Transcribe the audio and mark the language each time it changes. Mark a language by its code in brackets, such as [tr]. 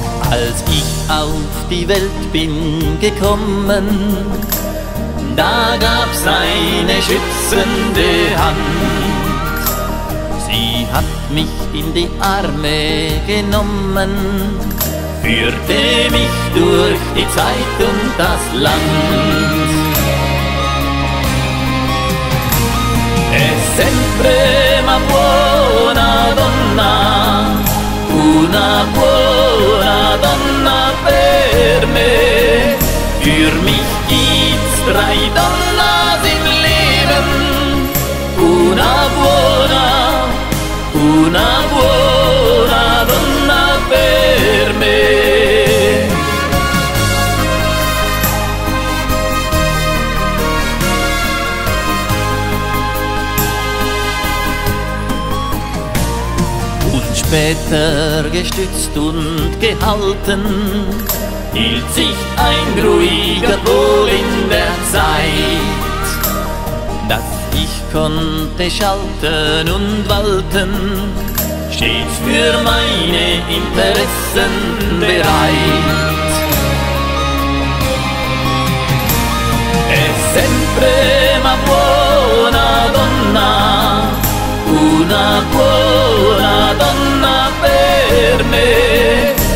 [de] Als ich auf die Welt bin gekommen, da gab's eine schützende Hand. Sie hat mich in die Arme genommen, führte mich durch die Zeit und das Land. [it] E sempre una buona donna, una buona donna per me. [de] Für mich gibt's drei Donnas im Leben, [it] una buona, una buona donna per me. [de] Später gestützt und gehalten, hielt sich ein ruhiger Pol in der Zeit. Dass ich konnte schalten und walten, stets für meine Interessen bereit. [it] È sempre una buona donna, una buona donna per me.